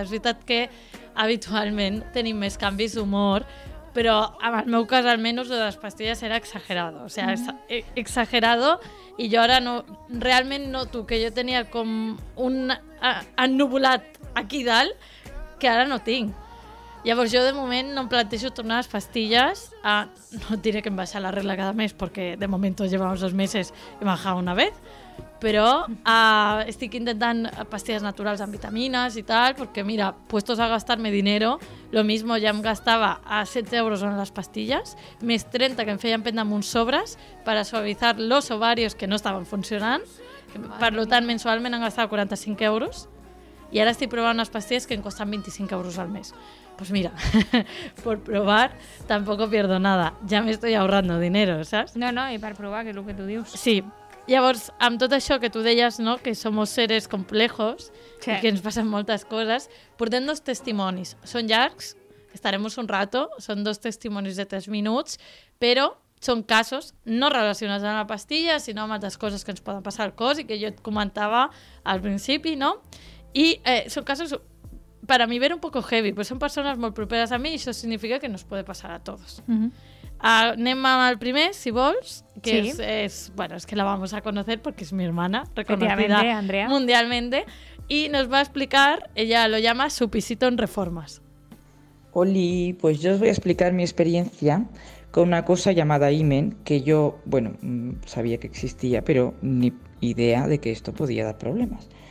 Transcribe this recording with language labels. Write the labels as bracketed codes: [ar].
[es] Es verdad que habitualmente tenemos más cambios de humor, pero [ca] en el meu cas, [es] al menos, lo de las pastillas era exagerado. O sea, exagerado, y yo ahora no, realmente noto que yo tenía como un [ca] ennubulat aquí dalt [es] que ahora no tengo. [ca] Llavors jo de moment no em plantejo tornar les pastilles, a, no diré que em baixa la regla cada mes perquè de moment [es] llevamos dos meses [ca] i m'ha bajat [es] una vez, [ca] però a, estic intentant pastilles naturals amb vitamines i tal, perquè mira, puestos a gastar-me dinero, [es] lo mismo [ca] ja em gastava a 7 euros en les pastilles, més 30 que em feien prendre amb uns sobres per a suavitzar los ovarios que no estaven funcionant, per lo tant mensualment em gastava 45 euros i ara estic provant unes pastilles que em costen 25 euros al mes. [es] Pues mira, por probar tampoco pierdo nada. Ya me estoy ahorrando dinero, ¿sabes? No, no, y para probar, que es lo que tú dices. Sí. [ca] Llavors, amb tot això que tú deies, ¿no?, [es] que somos seres complejos, [ca] sí, [es] y que nos pasan [ca] moltes coses, portem dos testimonis. Son llargs, [es] estaremos un rato, [ca] son dos testimonis de 3 minuts, [es] pero son casos no relacionados [ca] amb la pastilla, sinó amb altres coses que ens poden passar al cos i que jo et comentava al principi, ¿no? [es] Y son casos... Para mí ver un poco heavy, pues son personas muy properas a mí y eso significa que nos puede pasar a todos. Uh-huh. [ca] Anem amb el primer, si vols, que sí. [es] Es, bueno, es que la vamos a conocer porque es mi hermana, reconocida mundialmente, y nos va a explicar, ella lo llama su pisito en reformas. Oli, pues yo os voy a explicar mi experiencia con una cosa llamada himen, que yo, bueno, sabía que existía, pero ni idea de que esto podía dar problemas.